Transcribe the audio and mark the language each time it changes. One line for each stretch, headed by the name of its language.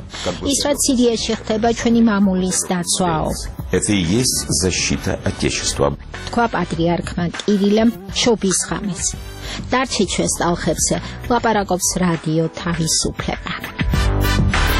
Russian: как бы
Georgian: ისრაც ხდება ჩვენი მამულის დაცვაო.
Russian: Это и есть защита отечества.
Georgian: თქვა პატრიარქმა კირილემ შობის ღამეს. დარჩი ჩვენს ტალხებზე, ლაპარაკობს რადიო თავისუფლება.